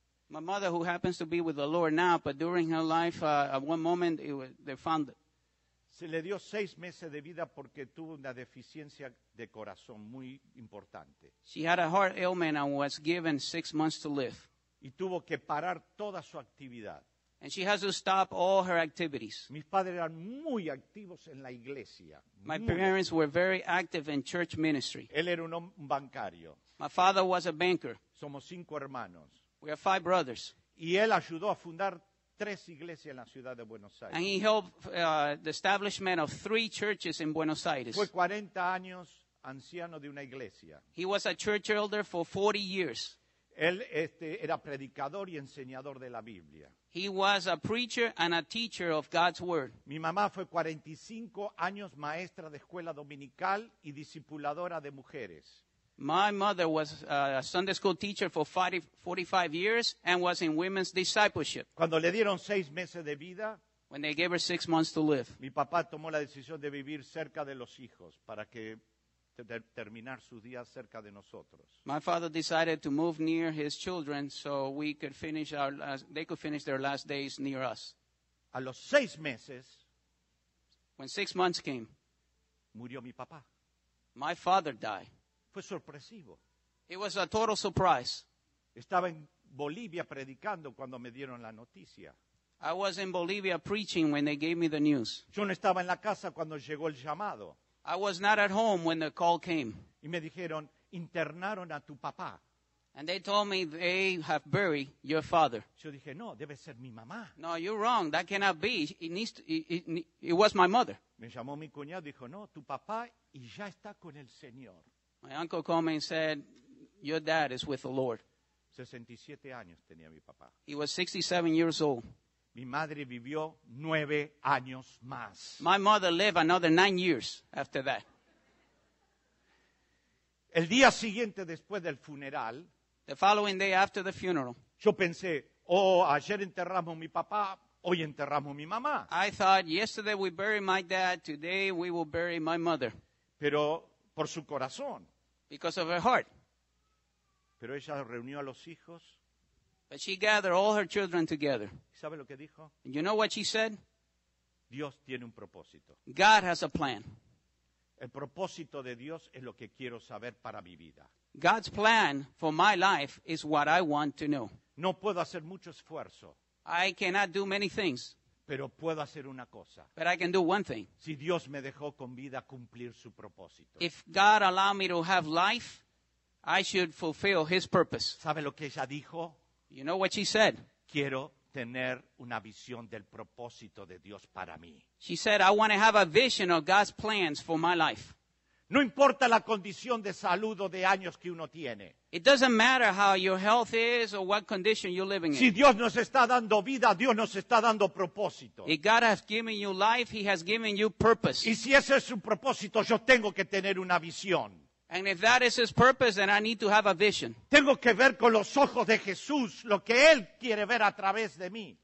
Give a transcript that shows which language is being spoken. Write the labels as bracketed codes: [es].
[en] My mother, who happens to be with the Lord now, but during her life, at one moment, they found it. [es] Se le dio 6 meses de vida porque tuvo una deficiencia de corazón muy importante. [en] She had a heart ailment and was given 6 months to live. [es] Y tuvo que parar toda su actividad. [en] And she has to stop all her activities. [es] Mis padres eran muy activos en la iglesia. [en] My parents were very active in church ministry. [es] Él era un bancario. [en] My father was a banker. [es] Somos 5 hermanos. [en] We are 5 brothers. [es] Y él ayudó a fundar 3 iglesias en la ciudad de Buenos Aires. [en] And he helped the establishment of 3 churches in Buenos Aires. [es] Fue 40 años anciano de una iglesia. [en] He was a church elder for 40 years. [es] Él era predicador y enseñador de la Biblia. [en] He was a preacher and a teacher of God's word. [es] Mi mamá fue 45 años maestra de escuela dominical y discipuladora de mujeres. [en] My mother was a Sunday school teacher for 45 years and was in women's discipleship. [es] Cuando le dieron 6 meses de vida, [en] when they gave her 6 months to live, [es] mi papá tomó la decisión de vivir cerca de los hijos para que terminar sus días cerca de nosotros. [en] My father decided to move near his children so we could finish our they could finish their last days near us. [es] A los 6 meses, [en] when 6 months came, [es] murió mi papá. [en] My father died. [es] Fue sorpresivo. [en] It was a total surprise. [es] Estaba en Bolivia predicando cuando me dieron la noticia. [en] I was in Bolivia preaching when they gave me the news. [es] Yo no estaba en la casa cuando llegó el llamado. [en] I was not at home when the call came. [es] Y me dijeron, internaron a tu papá. [en] And they told me they have buried your father. [es] Yo dije, no, debe ser mi mamá. [en] No, you're wrong. That cannot be. It was my mother. [es] Me llamó mi cuñado y dijo, no, tu papá y ya está con el Señor. [en] My uncle called me and said, your dad is with the Lord. [es] 67 años tenía mi papá. [en] He was 67 years old. [es] Mi madre vivió 9 años más. [en] My mother lived another 9 years after that. [es] El día siguiente después del funeral, [en] the following day after the funeral, [es] yo pensé, oh, ayer enterramos a mi papá, hoy enterramos a mi mamá. [en] I thought, yesterday we buried my dad, today we will bury my mother. [es] Pero por su corazón. [en] Because of her heart. [es] Pero ella reunió a los hijos. [en] But she gathered all her children together. [es] ¿Sabe lo que dijo? [en] And you know what she said? [es] Dios tiene un propósito. [en] God has a plan. [es] El propósito de Dios es lo que quiero saber para mi vida. [en] God's plan for my life is what I want to know. [es] No puedo hacer mucho esfuerzo. [en] I cannot do many things. [es] Pero puedo hacer una cosa. [en] But I can do one thing. [es] Si Dios me dejó con vida cumplir su propósito. [en] If God allowed me to have life, I should fulfill his purpose. [es] ¿Sabe lo que ella dijo? [en] You know what she said? [es] Quiero tener una visión del propósito de Dios para mí. [en] She said, I want to have a vision of God's plans for my life. [es] No importa la condición de salud o de años que uno tiene. [en] It doesn't matter how your health is or what condition you're living in. [es] Si Dios nos está dando vida, Dios nos está dando propósito. [en] If God has given you life, he has given you purpose. [es] Y si ese es su propósito, yo tengo que tener una visión. [en] And if that is his purpose, then I need to have a vision. [es] Tengo que ver con los ojos de Jesús lo que él quiere ver a través de mí.